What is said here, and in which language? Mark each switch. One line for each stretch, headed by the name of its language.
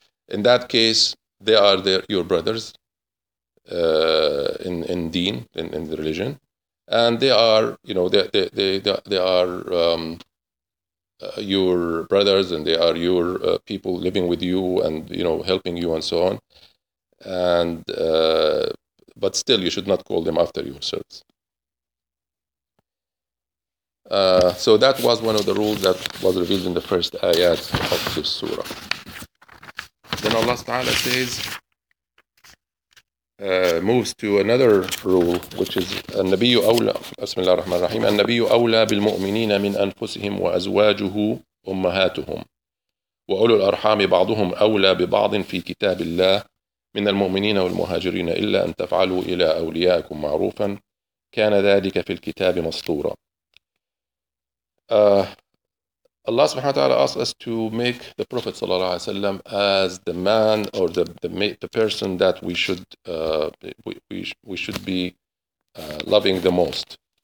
English: In that case, they are your brothers in deen, in the religion, and they are, you know, they are your brothers, and they are your people living with you and, you know, helping you and so on. And but still, you should not call them after yourselves. So that was one of the rules that was revealed in the first ayat of this surah. then Allah Ta'ala says, moves to another rule, which is
Arabic: النبي أولى بسم الله الرحمن الرحيم النبي أولى بالمؤمنين من أنفسهم وأزواجه أمهاتهم وأولو الأرحام بعضهم أولى ببعض في كتاب الله من المؤمنين والمهاجرين إلا أن تفعلوا إلى أوليائكم معروفا كان ذلك في الكتاب مسطورا.
English: Allah subhanahu wa ta'ala asks us to make the Prophet sallallahu alayhi wa sallam as the man or the person that we should be loving the most.